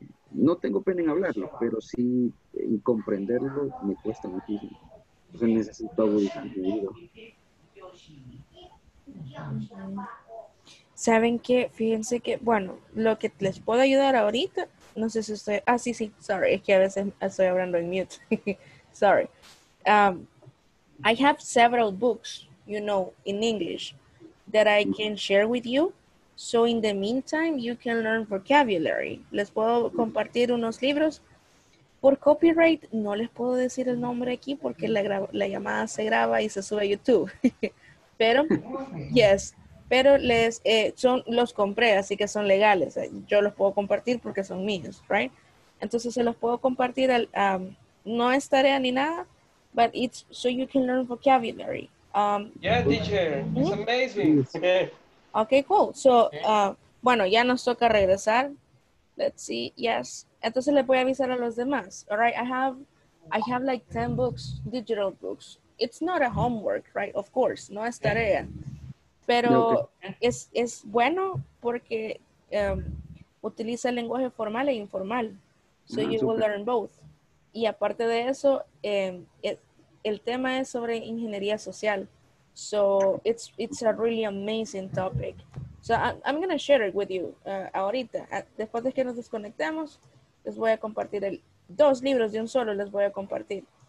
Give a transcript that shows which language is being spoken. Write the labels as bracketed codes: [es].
[es] no tengo pena en hablarlo, pero sí en comprenderlo me cuesta muchísimo. Entonces necesito algo distinto. ¿Saben qué? Fíjense que, bueno, lo que les puedo ayudar ahorita, no sé si estoy, ah, sí, sí, sorry, es que a veces estoy hablando en mute, sorry. [en] I have several books, you know, in English, that I can share with you. So in the meantime, you can learn vocabulary. [es] Les puedo compartir unos libros. Por copyright, no les puedo decir el nombre aquí porque la llamada se graba y se sube a YouTube. Pero, yes, pero les son, los compré, así que son legales. Yo los puedo compartir porque son míos, right? Entonces se los puedo compartir, al, no es tarea ni nada, [en] but it's so you can learn vocabulary. Yeah, teacher, it's amazing. Okay, cool. So, [es] bueno, ya nos toca regresar. [en] Let's see, yes. [es] Entonces le voy a avisar a los demás. [en] All right, I have like 10 books, digital books. It's not a homework, right? Of course, [es] no es tarea. Pero es bueno porque utiliza el lenguaje formal e informal. [en] So you will learn both. [es] Y aparte de eso, el tema es sobre ingeniería social. [en] So it's a really amazing topic. So I'm going to share it with you ahorita. [es] Después de que nos desconectemos, les voy a compartir el, dos libros de un solo les voy a compartir.